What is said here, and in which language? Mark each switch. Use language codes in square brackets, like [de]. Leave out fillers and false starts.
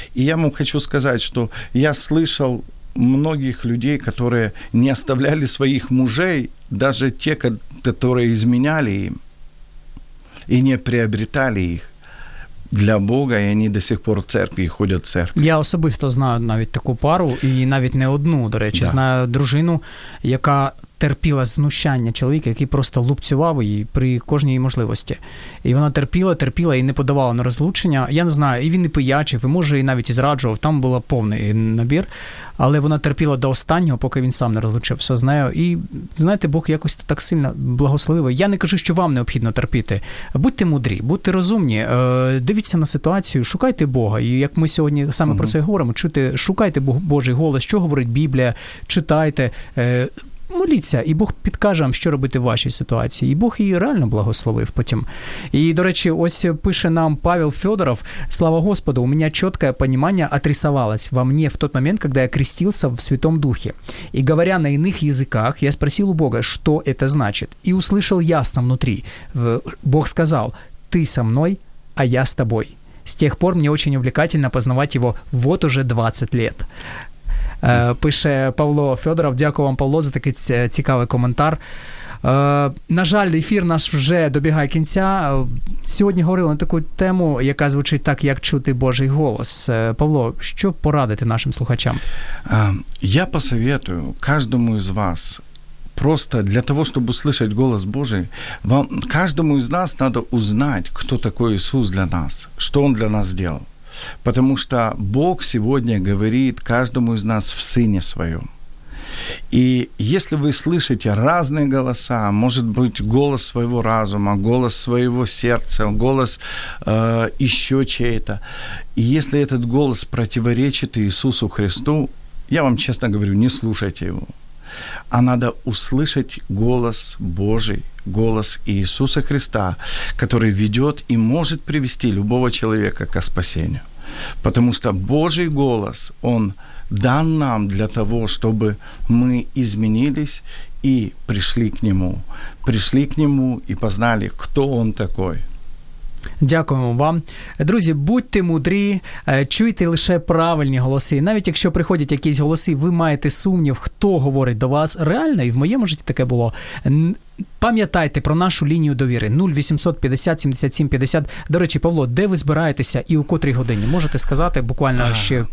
[ru] И я вам хочу сказать, что я слышал многих людей, которые не оставляли своих мужей, даже те, которые изменяли им, и не приобретали их для Бога, и они до сих пор в церкви, ходят в церковь. [uk] Я особисто знаю навіть таку пару, і навіть не одну, до речі. Да. Знаю дружину, яка терпіла знущання чоловіка, який просто лупцював її при кожній можливості. І вона терпіла і не подавала на розлучення. Я не знаю, і він і пиячив, і може, і навіть і зраджував. Там був повний набір. Але вона терпіла до останнього, поки він сам не розлучився з нею. І, знаєте, Бог якось так сильно благословив. Я не кажу, що вам необхідно терпіти. Будьте мудрі, будьте розумні, дивіться на ситуацію, шукайте Бога. І як ми сьогодні саме про це говоримо, чути, шукайте Божий голос, що говорить Біблія, читайте, моліться, і Бог підкаже вам, що робити в вашій ситуації. І Бог її реально благословив потім. І, до речі, ось пише нам Павел Федоров: [ru] «Слава Господу, у меня четкое понимание отрисовалось во мне в тот момент, когда я крестился в Святом Духе. И говоря на иных языках, я спросил у Бога, что это значит. И услышал ясно внутри. Бог сказал: «Ты со мной, а я с тобой». С тех пор мне очень увлекательно познавать его вот уже 20 лет». [uk] Пише Павло Федоров. Дякую вам, Павло, за такий цікавий коментар. На жаль, ефір наш вже добігає кінця. Сьогодні говорили на таку тему, яка звучить так, як чути Божий голос. Павло, що порадити нашим слухачам? [ru] Я посоветую [uk] кожному із вас, просто для того, щоб услышати голос Божий, вам, кожному із нас треба узнати, хто такий Ісус для нас, що Він для нас зробив. [ru] Потому что Бог сегодня говорит каждому из нас в Сыне Своем. И если вы слышите разные голоса, может быть, голос своего разума, голос своего сердца, голос еще чей-то, и если этот голос противоречит Иисусу Христу, я вам честно говорю, не слушайте его. А надо услышать голос Божий, голос Иисуса Христа, который ведет и может привести любого человека ко спасению. Потому что Божий голос, он дан нам для того, чтобы мы изменились и пришли к Нему. Пришли к Нему и познали, кто Он такой. [uk] Дякуємо вам. Друзі, будьте мудрі, чуйте лише правильні голоси. Навіть якщо приходять якісь голоси, ви маєте сумнів, хто говорить до вас. Реально, і в моєму житті таке було. Пам'ятайте про нашу лінію довіри 0800 50 77 50. До речі, Павло, де ви збираєтеся і у котрій годині? Можете сказати буквально ще?